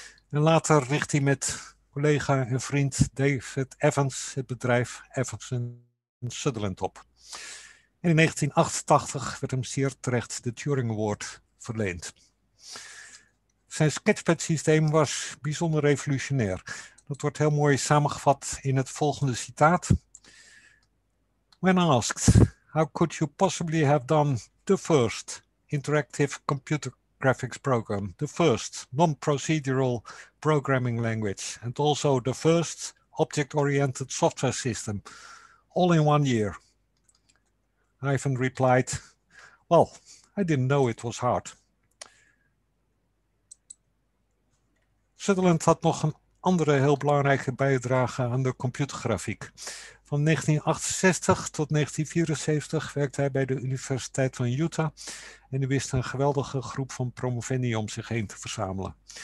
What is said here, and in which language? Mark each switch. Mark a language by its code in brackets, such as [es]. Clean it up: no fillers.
[nl] En later richt hij met collega en vriend David Evans het bedrijf Evans & Sutherland op. En in 1988 werd hem zeer terecht de Turing Award verleend. Zijn sketchpad-systeem was bijzonder revolutionair. Dat wordt heel mooi samengevat in het volgende citaat. [en] When asked, how could you possibly have done the first interactive computer graphics program, the first non-procedural programming language, and also the first object-oriented software system, all in 1 year? Ivan replied, well, I didn't know it was hard. [nl] Sutherland had nog een andere heel belangrijke bijdrage aan de computergrafiek. Van 1968 tot 1974 werkte hij bij de Universiteit van Utah en hij wist een geweldige groep van promovendi om zich heen te verzamelen.